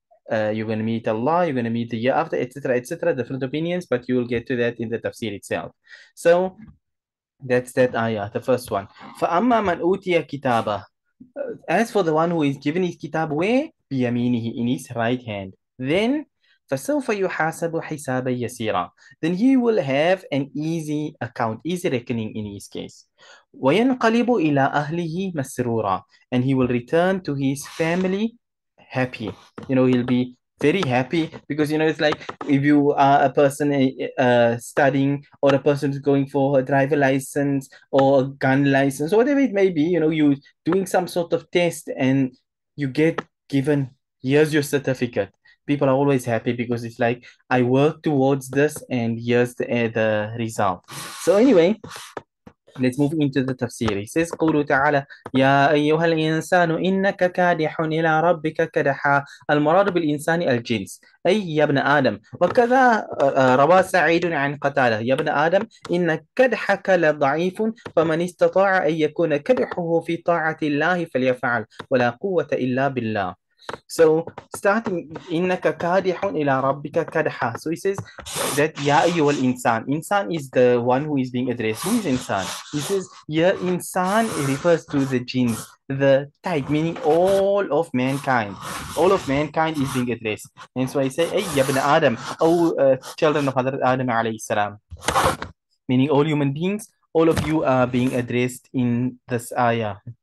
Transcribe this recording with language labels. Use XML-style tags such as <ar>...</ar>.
<en>You're going to meet Allah, you're going to meet the year after, etc., etc., different opinions, but you will get to that in the tafsir itself. So that's that ayah, the first one.</en> <ar>فَأَمَّا مَنْ أُوتِيَ كِتَابَهُ.</ar> <en>As for the one who is given his kitab, where? بِيَمِينِهِ, in his right hand.</en> <ar>Then, فَسَوْفَ يُحَاسَبُ حِسَابًا يَسِيرًا.</ar> <en>Then he will have an easy account, easy reckoning in his case.</en> <ar>وَيَنْقَلِبُ إِلَىٰ أَهْلِهِ مَسْرُورًا.</ar> <en>And he will return to his family happy. You know, he'll be very happy, because you know, it's like if you are a person studying, or a person who's going for a driver license or a gun license, whatever it may be, you know, you're doing some sort of test and you get given, here's your certificate. People are always happy because it's like, I work towards this and here's the result. So anyway, let's move into the tafsir. He says,</en> <ar>قولوا تعالى يا أيها الإنسان إنك كادح إلى ربك كدحا. المراد بالإنسان الجنس, أي يا ابن آدم. وكذا روى سعيد عن قتالة, يا ابن آدم إن كدحك لضعيف فمن استطاع أن يكون كدحه في طاعة الله فليفعل ولا قوة إلا بالله.</ar> <en>So starting</en> <ar>إِنَّكَ كَادِحٌ إِلَىٰ رَبِّكَ كَدْحًا.</ar> <en>So he says that</en> <ar>يَا أَيُّهَا الْإِنسَانِ.</ar> <en>Insan is the one who is being addressed. Who is insan? He says يَا insan, it refers to the jinn, the type, meaning all of mankind. All of mankind is being addressed. And so he says,</en> <ar>أَيْ يَبْنَ آدَمْ,</ar> <en>O children of Hazrat Adam alayhi salam, meaning all human beings, all of you are being addressed in this ayah.</en>